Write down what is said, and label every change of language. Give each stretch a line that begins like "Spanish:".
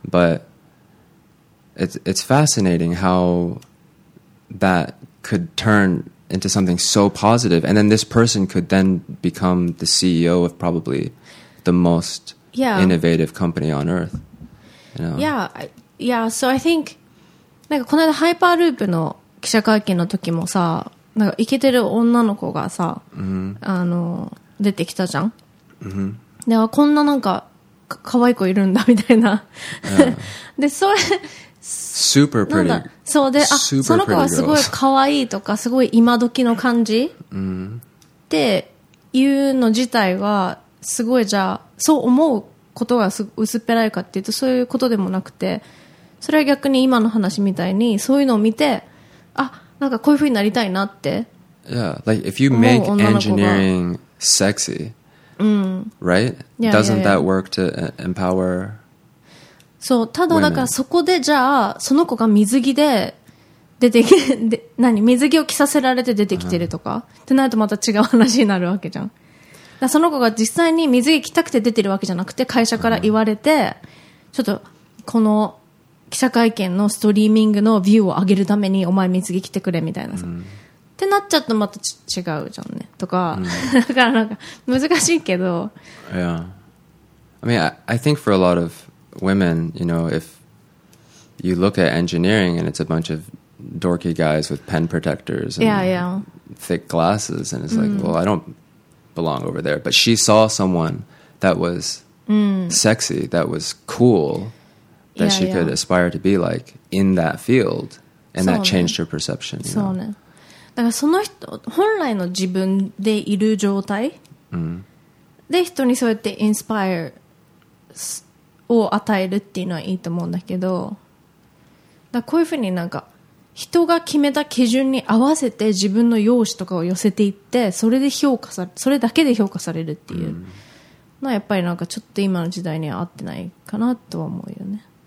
English: But It's fascinating how that could turn into something so positive, and then this person could then become the CEO of probably the most innovative company on earth. You know? Yeah. So I think,
Japanese: なんかこの間ハイパーループの記者会見の時もさ、なんかイケてる女の子がさ、あの出てきたじゃん。だからこんななんか可愛い子いるんだみたいな。でそれ。
English: Super pretty.
Japanese: なんだ、そうで、あ、その子はすごい可愛いとか、すごい今時の感じ、っていうの自体は、すごい、じゃあ、そう思うことが薄っぺらいかっていうとそういうことでもなくて、それは逆に今の話みたいにそういうのを見て、あ、なんかこういう風になりたいなって。
English: Yeah, like if you make engineering sexy、right? Doesn't that work to empower?
Japanese: そう、ただだからそこでじゃあその子が水着で出てきて、何、水着を着させられて出てきてるとか、ってなるとまた違う話になるわけじゃん。だその子が実際に水着着たくて出てるわけじゃなくて、会社から言われて、ちょっとこの記者会見のストリーミングのビューを上げるためにお前水着着てくれみたいなさ、ってなっちゃうとまた違うじゃんねとか、だからなんか難しいけど。
English: Yeah, I mean, I think for a lot of women, you know, if you look at engineering and it's a bunch of dorky guys with pen protectors and thick glasses, and it's like, well, I don't belong over there. But she saw someone that was sexy, that was cool, that she could aspire to be like in that field, and that changed her perception.
Japanese: そうね。だからその人本来の自分でいる状態で人にそうやってインスパイアを与えるっていうのはいいと思うんだけど、だからこういうふうになんか人が決めた基準に合わせて自分の容姿とかを寄せていって、それで評価されそれだけで評価されるっていうのはやっぱりなんかちょっと今の時代には合ってないかなとは思うよね。